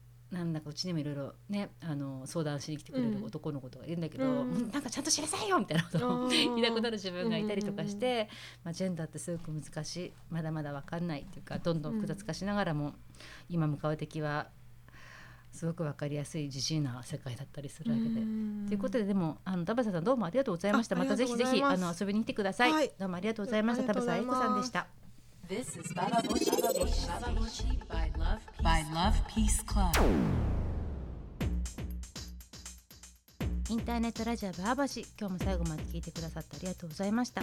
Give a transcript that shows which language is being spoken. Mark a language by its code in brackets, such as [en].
[ja] なんだかうちにもいろいろねあの相談しに来てくれる男の子とかいるんだけど、うん、なんかちゃんとしなさいよみたいなことを言いなくなる自分がいたりとかして、うんうんうん、まあ、ジェンダーってすごく難しい、まだまだ分かんないっていうか、どんどん複雑化しながらも、うん、今向かう敵はすごく分かりやすいジジイな世界だったりするわけで、と、うん、いうことで、でもあの田畑さんどうもありがとうございました。またぜひぜひあの遊びに来てください、はい、どうもありがとうございました。田畑愛子さんでした。 [en] This is Baba Boshi by Love Peace Club. [ja] インターネットラジオバーバシ、今日も最後まで聞いてくださってありがとうございました。